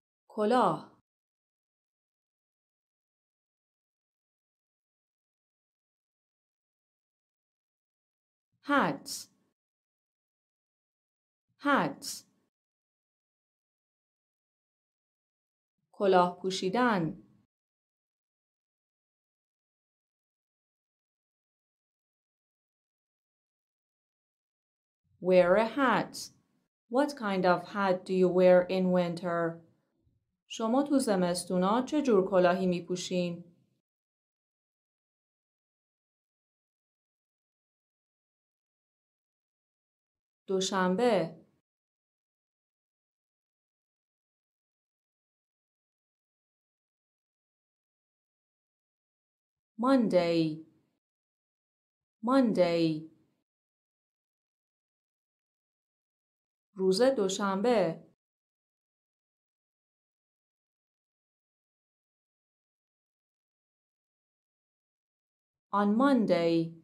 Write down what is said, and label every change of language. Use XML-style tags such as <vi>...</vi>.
<fa>کلاه،</fa> <en>hat, hat,</en> <fa>کلاه پوشیدن،</fa> <en>wear a hat. What kind of hat do you wear in winter؟</en> <fa>شما تو زمستونا چه جور کلاهی می پوشین؟ دوشنبه،</fa> <en>Monday، Monday،</en> <fa>روز دوشنبه،</fa> <en>On Monday.</en>